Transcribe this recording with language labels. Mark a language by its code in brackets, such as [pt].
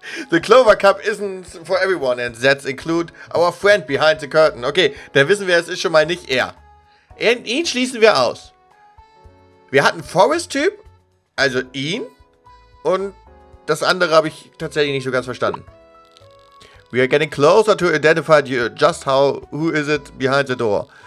[en] The Clover Cup isn't for everyone and that include our friend behind the curtain. [de] Okay, dann wissen wir, es ist schon mal nicht er. Ihn schließen wir aus. Wir hatten Forest-Typ, also ihn, und das andere habe ich tatsächlich nicht so ganz verstanden. [en] We are getting closer to identify you just how, who is it behind the door.